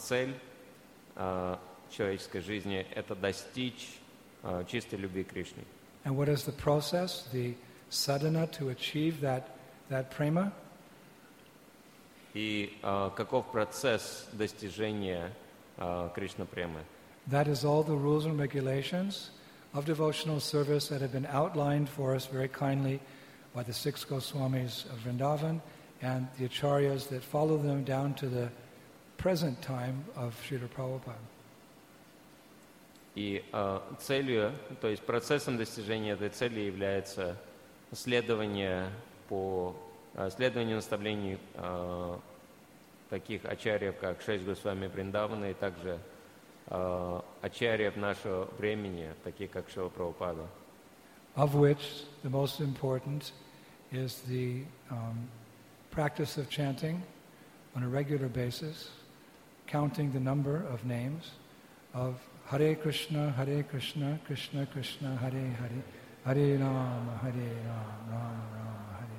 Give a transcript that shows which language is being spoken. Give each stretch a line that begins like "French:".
Russian: Цель человеческой жизни – это достичь чистой любви к Кришне.
English: And what is the process, the sadhana to achieve that prema?
Russian: И каков процесс достижения Кришна-премы?
English: That is all the rules and regulations of devotional service that have been outlined for us very kindly by the six Goswamis of Vrindavan and the acharyas that follow them down to the present time of Śrīla Prabhupāda.
Russian: И целью, то есть процессом достижения этой цели является следование наставлений таких ачарьев, как шесть Госвами Вриндавана, и также ачарьев нашего времени, таких как Шрила Прабхупада.
English: Of which the most important is the practice of chanting on a regular basis, counting the number of names of Hare Krishna, Hare Krishna, Krishna Krishna, Hare Hare, Hare Rama, Hare Rama, Rama Rama.